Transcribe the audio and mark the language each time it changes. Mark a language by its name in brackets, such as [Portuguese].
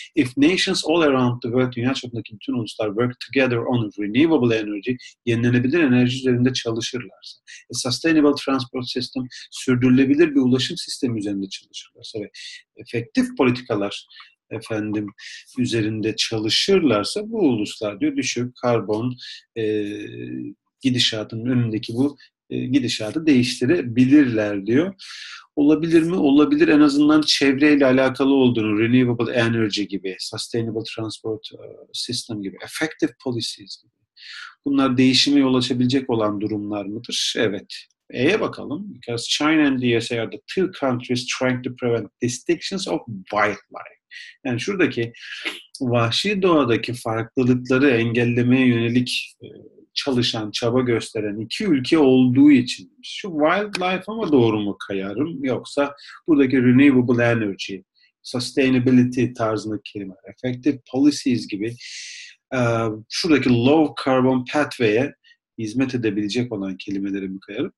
[English] If nations all around the world, [Turkish] dünya çapındaki bütün uluslar [English] work together on renewable energy, [Turkish] yenilenebilir enerji üzerinde çalışırlarsa, [English] sustainable transport system, [Turkish] sürdürülebilir bir ulaşım sistemi üzerinde çalışırlarsa ve efektif politikalar efendim üzerinde çalışırlarsa bu uluslar diyor düşük karbon gidişatının önündeki bu gidişatı değiştirebilirler diyor. Olabilir mi? Olabilir. En azından çevreyle alakalı olduğunu, renewable energy gibi, sustainable transport system gibi, effective policies gibi. Bunlar değişime yol açabilecek olan durumlar mıdır? Evet. E'ye bakalım. [English] Because China and the USA are the two countries trying to prevent distinctions of wildlife. [Turkish] Yani şuradaki vahşi doğadaki farklılıkları engellemeye yönelik çalışan, çaba gösteren iki ülke olduğu için. Şu wildlife'a mı doğru mu kayarım yoksa buradaki renewable energy, sustainability tarzındaki kelimeler, effective policies gibi şuradaki low carbon pathway'e hizmet edebilecek olan kelimeleri mi kayarım?